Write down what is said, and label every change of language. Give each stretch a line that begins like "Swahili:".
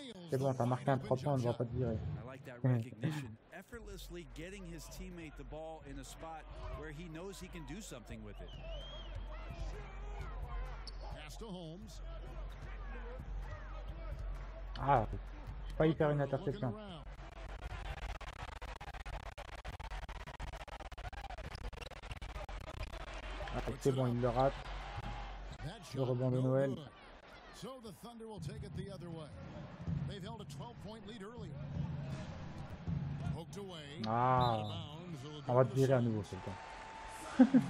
French: C'est bon, t'as marqué un 3 points, on ne va pas te virer.
English: I like that recognition. Effortlessly getting his teammate the ball in a spot where he knows he can do something with it. Pass to Holmes.
French: Ah, je vais pas y faire une interception. Ah, c'est bon, il le rate. Le rebond de Noël.
English: So the Thunder will take it the other way. They've held a 12-point lead earlier. Poked away.
French: Ah, on va te virer à nouveau, c'est le temps.